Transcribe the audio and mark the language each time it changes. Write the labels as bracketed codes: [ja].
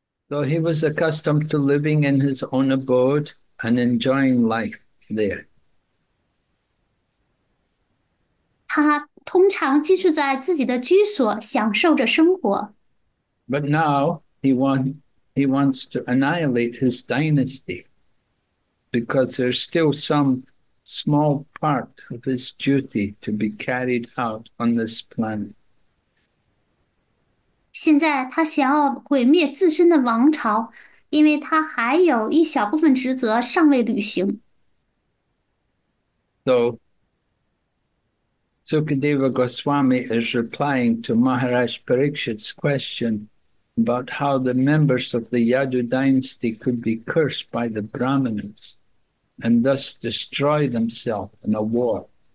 [en] So he was accustomed to living in his own abode and enjoying life there. [zh] 他通常居住在自己的居所，享受着生活。 [en] But now he wants to annihilate his dynasty because there's still some small part of his duty to be carried out on this planet. [zh] 现在他想要毁灭自身的王朝，因为他还有一小部分职责尚未履行。 [en] So, Sukadeva Goswami is replying to Maharaj Pariksit's question about how the members of the Yadu dynasty could be cursed by the Brahmanas and thus destroy themselves in a war.